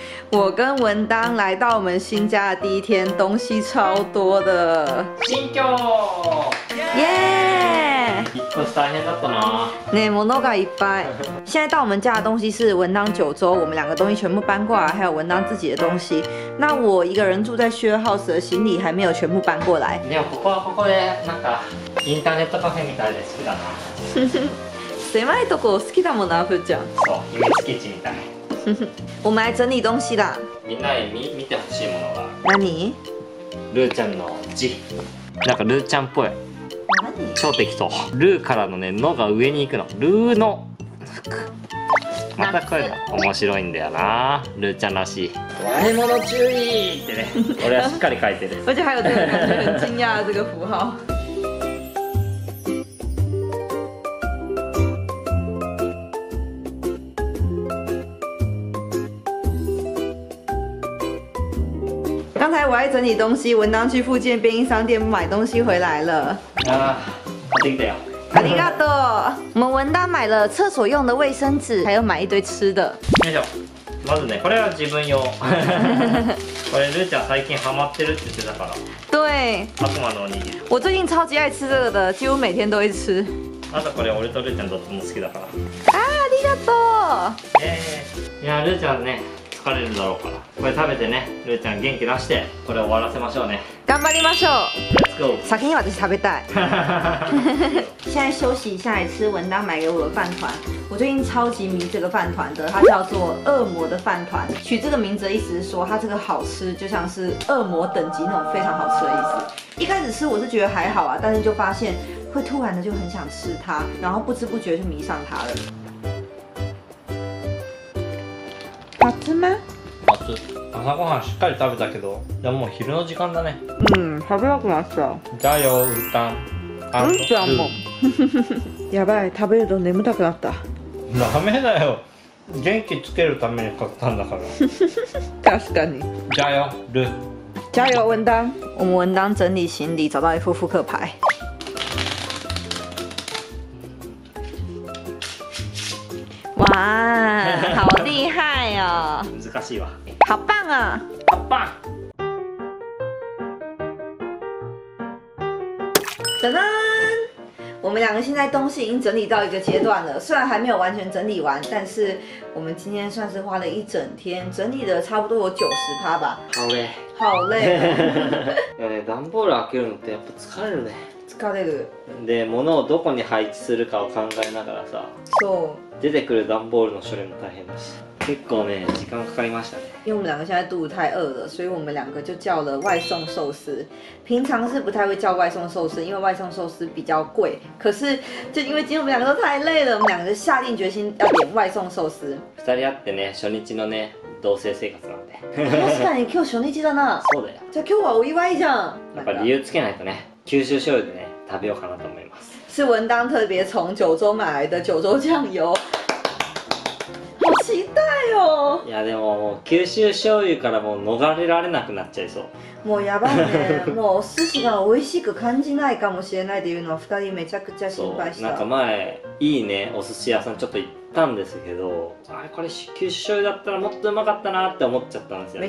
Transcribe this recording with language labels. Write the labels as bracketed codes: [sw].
[zh] 我跟文当来到我们新家的第一天，东西超多的。新居。耶。 [ja] 引っ越し大変だったな。ね、物がいっぱい。 [zh] 现在到我们家的东西是文当九州，我们两个东西全部搬过来，还有文当自己的东西。那我一个人住在share house的行李还没有全部搬过来。 [ja] でもここはここでなんかインターネットカフェみたいで好きだな。狭いとこ好きだもんな、ふーちゃん。そう、秘密基地みたい。 [zh] 我们来整理东西啦。 [ja] みんなに見てほしいものは。何？ルーちゃんの字。なんかルーちゃんっぽい。何？超適当。ルーからのねのが上に行くの。ルーの服。またこれが面白いんだよな。ルーちゃんらしい。割れ物注意ってね。俺はしっかり書いてる。 [zh] 而且还有这个很惊讶的这个符号。刚才我在整理东西，文当去附近便利商店买东西回来了。啊，好的呀。阿里嘎多。我们文当买了厕所用的卫生纸，还有买一堆吃的。 [ja] よいしょ。まずね、これは自分用。これルーちゃん最近ハマってるって言ってたから。 [zh] 对。 [ja] 悪魔のおにぎり。 [zh] 我最近超级爱吃这个的，几乎每天都会吃。 [ja] あとこれ俺とルーちゃんどっちも好きだから。 [zh] 啊，阿里嘎多。 [ja] いやルーちゃんね。疲れるだろうから、これ食べてね、ルーちゃん元気出して、これ終わらせましょうね。頑張りましょう。 [en] Let's go。 [ja] 先に私食べたい。 [zh] 现在休息一下，来吃文当买给我的饭团。我最近超级迷这个饭团的，它叫做恶魔的饭团。取这个名字的意思是说，它这个好吃，就像是恶魔等级那种非常好吃的意思。一开始吃我是觉得还好啊，但是就发现会突然的就很想吃它，然后不知不觉就迷上它了。 [ja] 熱っ。朝ごはんしっかり食べたけど、じゃもう昼の時間だね。うん、食べなくなっちゃう。じゃあよ、ウルタン。ウルタンも。やばい、食べると眠たくなった。ダメだよ。元気つけるために買ったんだから。確かに。じゃあよ、ル。じゃあよ、ウンダン。 [zh] 我们文当整理行李，找到一副扑克牌。哇，好厉害哦！ [ja] 難しいわ。 [zh] 好棒啊！好棒！噔噔，我们两个现在东西已经整理到一个阶段了，虽然还没有完全整理完，但是我们今天算是花了一整天，整理了差不多有90%吧。好累。好累。 [ja] いやね、段ボール開けるのってやっぱ疲れるね。疲れる。で、物をどこに配置するかを考えながらさ。そう。出てくる段ボールの処理も大変だし、結構ね時間かかりましたね。 [zh] 因为我们两个现在肚子太饿了，所以我们两个就叫了外送寿司。平常是不太会叫外送寿司，因为外送寿司比较贵。可是就因为今天我们两个都太累了，我们两个就下定决心要点外送寿司。 [ja] 二人会ってね、初日のね同棲生活なんで。確かに今日初日だな。そうだよ。じゃあ今日はお祝いじゃん。やっぱ理由つけないとね、吸収醤油でね食べようかなと思います。 [zh] 是文当特别从九州买来的九州酱油。期待哦！ [ja] いやでももう九州醤油からもう逃れられなくなっちゃいそう。もうやばいね。もう寿司が美味しく感じないかもしれないっていうのは二人めちゃくちゃ心配した。なんか前いいねお寿司屋さんちょっと行ったんですけど、あれこれ九州醤油だったらもっとうまかったなって思っちゃったんですよね。